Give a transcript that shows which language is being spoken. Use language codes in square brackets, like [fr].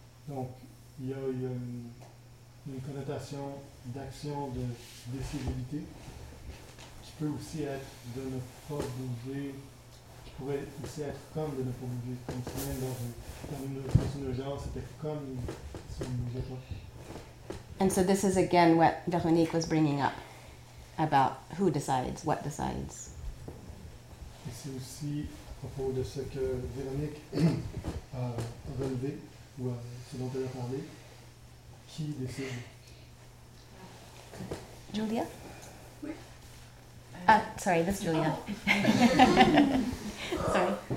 [fr] Donc, il y a une connotation d'action, de décisivité, qui peut aussi être de ne pas bouger, qui pourrait aussi être comme de ne pas bouger, comme si même dans une urgence, c'était comme si on ne bougeait pas. [en] And so this is again what Véronique was bringing up. About who decides, what decides. [fr] Et c'est aussi à propos de ce que Véronique a relevé, ou à ce dont elle a parlé, qui décide. Julia? Oui. [en] Sorry, that's Julia. Oh. Sorry.